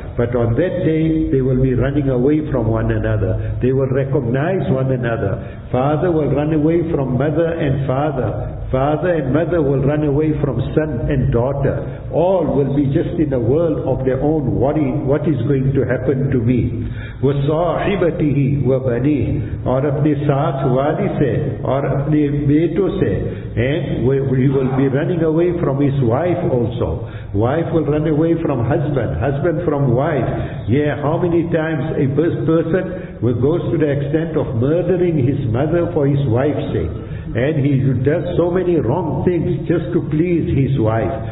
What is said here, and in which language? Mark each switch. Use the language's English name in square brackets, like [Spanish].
[English] But on that day, they will be running away from one another. They will recognize one another. Father will run away from mother and father. Father and mother will run away from son and daughter. all will be just in a world of their own worry, what is going to happen to me. [Arabic] وَصَاحِبَتِهِ وَبَنِهِ [Urdu] اور اپنے ساتھ والی سے اور اپنے بیٹوں سے. [English] And he will be running away from his wife also. Wife will run away from husband, husband from wife. Yeah, how many times a person goes to the extent of murdering his mother for his wife's sake. And he does so many wrong things just to please his wife.